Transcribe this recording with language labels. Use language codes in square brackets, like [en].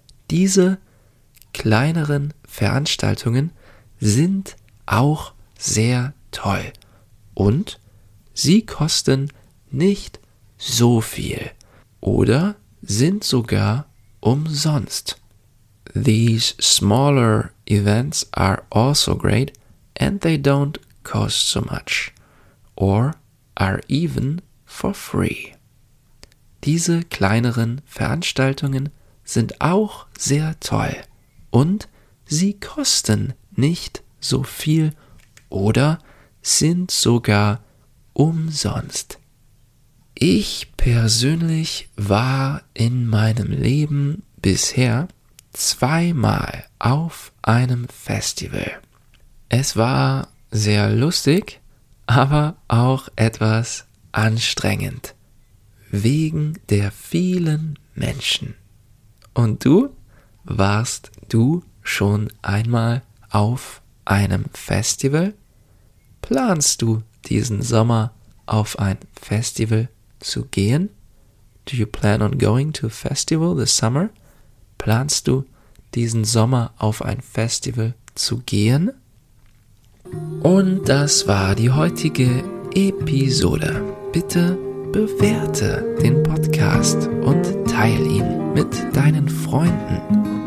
[de] Diese kleineren Veranstaltungen sind auch sehr toll und sie kosten nicht so viel oder sind sogar umsonst. [en] These smaller events are also great and they don't cost so much or are even for free. [de] Diese kleineren Veranstaltungen sind auch sehr toll und sie kosten nicht so viel oder sind sogar umsonst. Ich persönlich war in meinem Leben bisher zweimal auf einem Festival. Es war sehr lustig, aber auch etwas anstrengend, wegen der vielen Menschen. Und du? Warst du schon einmal auf einem Festival? Planst du diesen Sommer auf ein Festival zu gehen? [en] Do you plan on going to a festival this summer? [de] Planst du diesen Sommer auf ein Festival zu gehen? Und das war die heutige Episode. Bitte bewerte den Podcast und teile ihn mit deinen Freunden.